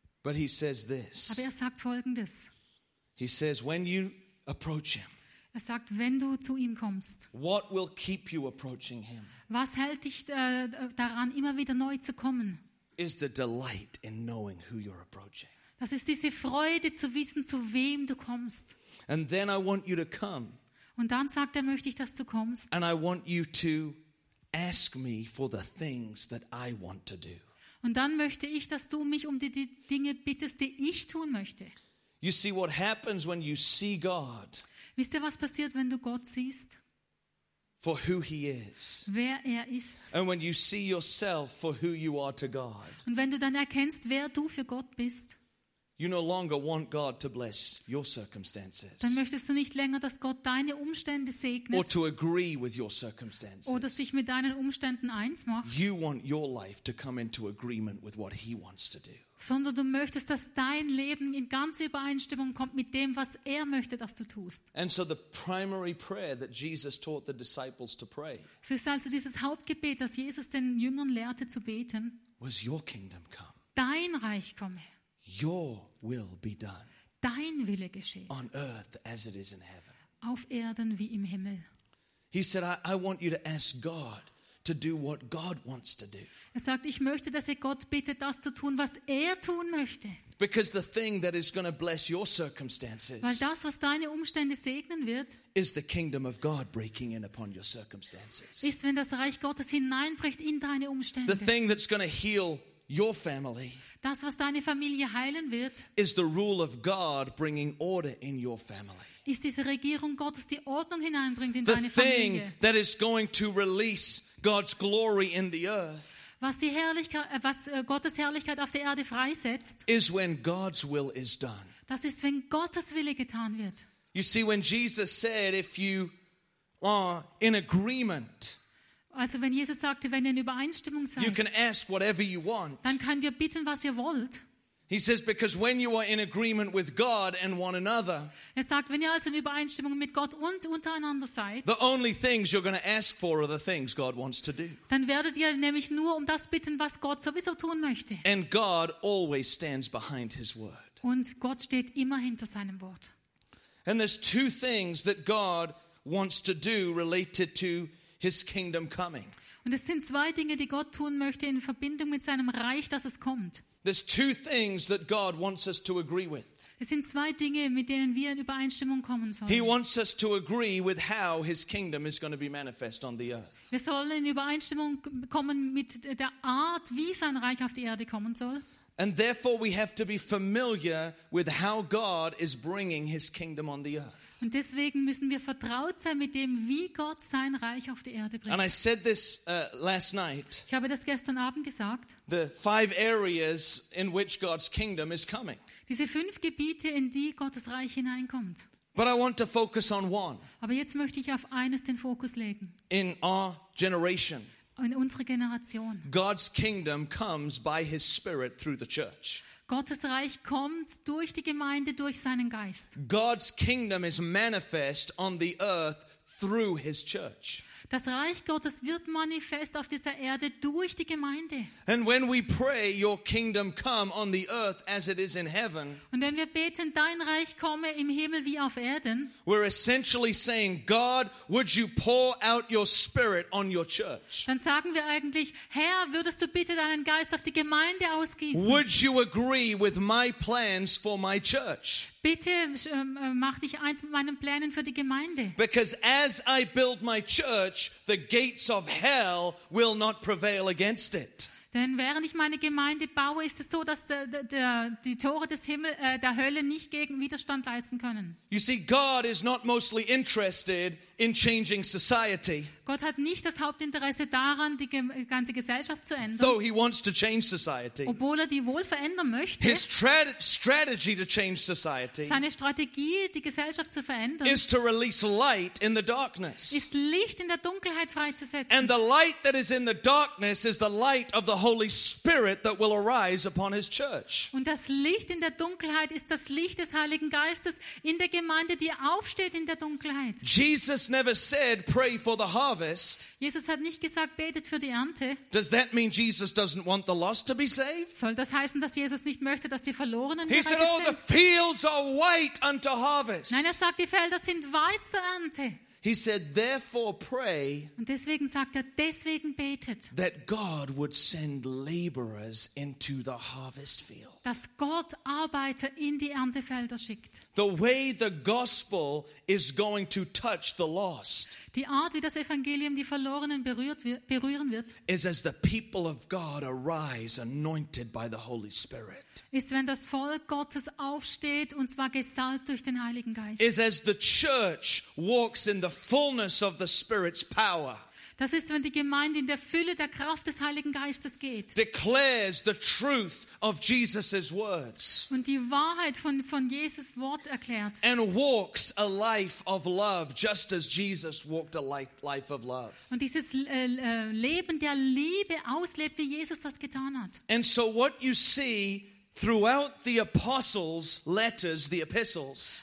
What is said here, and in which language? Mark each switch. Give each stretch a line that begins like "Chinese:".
English: But he says this.
German: Aber er sagt Folgendes.
English: He says, when you approach him.
German: Er sagt, wenn du zu ihm kommst.
English: What will keep you approaching him?
German: Was hält dich daran, immer wieder neu zu kommen?
English: Is the delight in knowing who you're approaching.
German: Das ist diese Freude zu wissen, zu wem du kommst.
English: And then I want you to come.
German: Und dann sagt er, möchte ich, dass du kommst.
English: And I want you to ask me for the things that I want to do.
German: Und dann möchte ich, dass du mich um die Dinge bittest, die ich tun möchte.
English: You see what happens when you see God.
German: Wisst ihr, was passiert, wenn du Gott siehst?
English: For who he is.
German: Wer er ist.
English: And when you see yourself for who you are to God.
German: Und wenn du dann erkennst, wer du für Gott bist.
English: You no longer want God to bless your circumstances.
German: Dann möchtest du nicht länger, dass Gott deine Umstände segnet.
English: Or to agree with your circumstances.
German: Oder sich mit deinen Umständen eins macht.
English: You want your life to come into agreement with what he wants to do.
German: Sondern du möchtest, dass dein Leben in ganze Übereinstimmung kommt mit dem, was er möchte, dass du tust.
English: And so the primary prayer that Jesus taught the disciples to pray.
German: So ist also dieses Hauptgebet, das Jesus den Jüngern lehrte zu beten.
English: Was your kingdom come.
German: Dein Reich komme.
English: Your will be done.
German: Dein Wille geschehe.
English: On earth as it is in heaven.
German: Auf Erden wie im Himmel.
English: He said, I want you to ask God to do what God wants to do.
German: Er sagt, ich möchte, dass ihr Gott bittet, das zu tun, was er tun möchte.
English: Because the thing that is going to bless your circumstances.
German: Weil das, was deine Umstände segnen wird,
English: is the kingdom of God breaking in upon your circumstances.
German: Ist, wenn das Reich Gottes hineinbricht in deine Umstände.
English: The thing that's going to heal your family.
German: Das, was deine Familie heilen wird,
English: is the rule of God bringing order in your family.
German: Ist diese Regierung Gottes, die Ordnung hineinbringt in
English: the
German: deine
English: thing
German: Familie.
English: That is going to release God's glory in the earth.
German: Was Gottes Herrlichkeit auf der Erde freisetzt,
English: is when God's will is done.
German: Das ist, wenn Gottes Wille getan wird.
English: You see, when Jesus said, if you are in agreement.
German: Also wenn Jesus sagte, wenn ihr in Übereinstimmung seid,
English: you can ask whatever you want.
German: Dann könnt ihr bitten, was ihr wollt.
English: He says, because when you are in agreement with God and one another,
German: er sagt, wenn ihr also in Übereinstimmung mit Gott und untereinander seid,
English: the only things you're going to ask for are the things God wants to do.
German: Dann werdet ihr nämlich nur um das bitten, was Gott sowieso tun möchte.
English: And God always stands behind his word.
German: Und Gott steht immer hinter seinem Wort.
English: And there's two things that God wants to do related to his kingdom coming.
German: Und es sind zwei Dinge, die Gott tun möchte in Verbindung mit seinem Reich, dass es kommt.
English: There's two things that God wants us to agree with.
German: Es sind zwei Dinge, mit denen wir in Übereinstimmung kommen sollen.
English: He wants us to agree with how his kingdom is going to be manifest on the earth.
German: Wir sollen in Übereinstimmung kommen mit der Art, wie sein Reich auf die Erde kommen soll.
English: And therefore we have to be familiar with how God is bringing his kingdom on the earth.
German: Und deswegen müssen wir vertraut sein mit dem, wie Gott sein Reich auf die Erde bringt.
English: And I said this last night.
German: Ich habe das gestern Abend gesagt.
English: The five areas in which God's kingdom is coming.
German: Diese fünf Gebiete, in die Gottes Reich hineinkommt.
English: But I want to focus on one.
German: Aber jetzt möchte ich auf eines den Fokus legen.
English: In our generation.
German: In unsere Generation.
English: God's kingdom comes by his spirit through the church.
German: Gottes Reich kommt durch die Gemeinde, durch seinen Geist.
English: God's kingdom is manifest on the earth through his church.
German: Das Reich Gottes wird manifest auf dieser Erde durch die Gemeinde.
English: And when we pray, your kingdom come on the earth as it is in heaven.
German: Und wenn wir beten, dein Reich komme im Himmel wie auf Erden.
English: We're essentially saying, God, would you pour out your spirit on your church?
German: Dann sagen wir eigentlich, Herr, würdest du bitte deinen Geist auf die Gemeinde ausgießen?
English: Would you agree with my plans for my church?
German: Bitte mach dich eins mit meinen Plänen für die Gemeinde.
English: Because as I build my church, the gates of hell will not prevail against it.
German: Denn während ich meine Gemeinde baue, ist es so, dass die Tore des Himmel, der Hölle nicht gegen Widerstand leisten können.
English: You see, God is not mostly interested in changing society.
German: Gott hat nicht das Hauptinteresse daran, die ganze Gesellschaft zu ändern.
English: Though he wants to change society.
German: Obwohl er die wohl verändern möchte.
English: His strategy to change society.
German: Seine Strategie, die Gesellschaft zu verändern.
English: Is to release light in the darkness.
German: Ist Licht in der Dunkelheit freizusetzen.
English: And the light that is in the darkness is the light of the Holy Spirit that will arise upon his church.
German: Und das Licht in der Dunkelheit ist das Licht des Heiligen Geistes in der Gemeinde, die aufsteht in der Dunkelheit.
English: Jesus never said, pray for the harvest.
German: Jesus hat nicht gesagt, betet für die Ernte.
English: Does that mean Jesus doesn't want the lost to be saved?
German: Soll das heißen, dass Jesus nicht möchte, dass die Verlorenen gerettet sind?
English: He said, oh, the fields are white unto harvest.
German: Nein, er sagt, die Felder sind weiß zur Ernte.
English: He said, therefore pray.
German: Und deswegen sagt er, deswegen betet.
English: That God would send laborers into the harvest field.
German: Dass Gott Arbeiter in die Erntefelder schickt.
English: The way the gospel is going to touch the lost.
German: Die Art, wie das Evangelium die Verlorenen berühren wird.
English: Is as the people of God arise anointed by the Holy Spirit.
German: Ist, wenn das Volk Gottes aufsteht und zwar gesalbt durch den Heiligen Geist.
English: Is as the church walks in the fullness of the Spirit's power.
German: Das ist, wenn die Gemeinde in der Fülle der Kraft des Heiligen Geistes geht.
English: Declares the truth of Jesus' words.
German: Und die Wahrheit von Jesus' Wort erklärt.
English: And walks a life of love, just as Jesus walked a life of love.
German: Und dieses Leben der Liebe auslebt, wie Jesus das getan hat.
English: And so what you see throughout the apostles' letters, the epistles.